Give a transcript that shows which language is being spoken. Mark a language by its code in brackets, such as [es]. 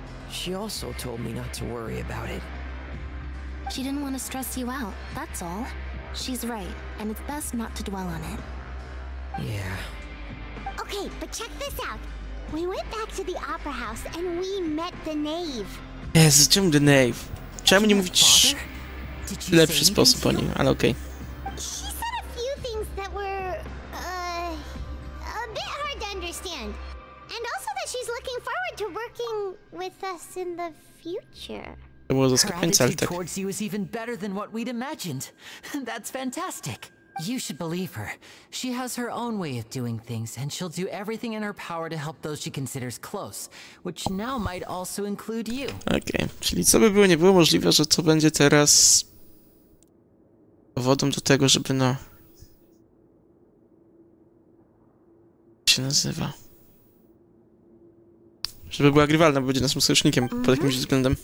[en] She also told me not to worry about it. She didn't want to stress you out, that's all. She's right, and it's best not to dwell on it. Yeah. Okay, but check this out. We went back to the opera house and we met the knave. Yes, [pl] czemu [en] the knave? [pl] Czemu nie mówić lepszy sposób o nim, ale okej. [en] She said a few things that were a bit hard to understand. And also that she's looking forward to working with us in the future. [pl] To było zaskakujące, ale tak. [en] Her attitude towards you is even better than what we'd imagined. That's fantastic. You should believe her. She has her own way of doing things, and she'll do everything in her power to help those she considers close, which now might also include you. [pl] Okay, czyli co by było, nie było możliwe, że co będzie teraz powodem do tego, żeby no... Jak się nazywa? Żeby była grywalna, bo będzie naszym sojusznikiem pod jakimś względem.